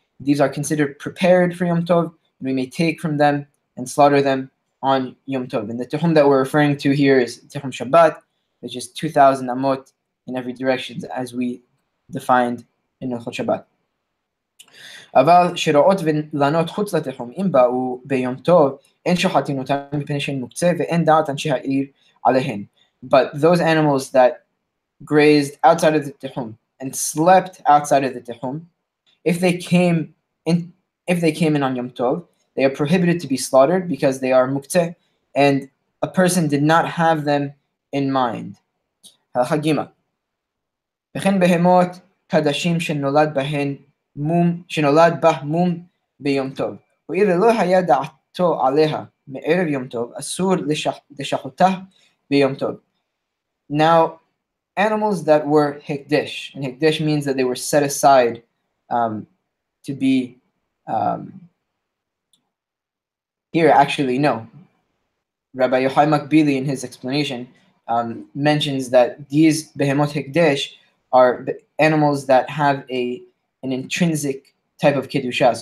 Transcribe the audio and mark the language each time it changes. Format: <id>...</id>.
<en>These are considered prepared for Yom Tov, and we may take from them and slaughter them on Yom Tov. And the tehum that we're referring to here is tehum Shabbat, which is 2,000 amot in every direction, as we defined in Hilchot Shabbat.</en> <he>אבל שראות ולנות חוץ לתחום, אם באו ביום טוב, אין שוחטין אותם מפני שהן מוקצה ואין דעת אנשי העיר עליהן.</he> <en>But those animals that grazed outside of the tehum and slept outside of the tehum, if they came in on Yom Tov, they are prohibited to be slaughtered because they are mukte, and a person did not have them in mind.</en> <he>הלכה ג' וכן בהמות קדשים שנולד בהן מום שנולד בה מום ביום טוב, ואילו לא היה דעתו עליה מערב יום טוב, אסור לשחותה ביום טוב.</he> <en>Now, animals that were hekdesh, and hekdesh means that they were set aside Rabbi Yochai Makbili, in his explanation, mentions that these behemot hekdesh are animals that have an intrinsic type of kedusha.</en>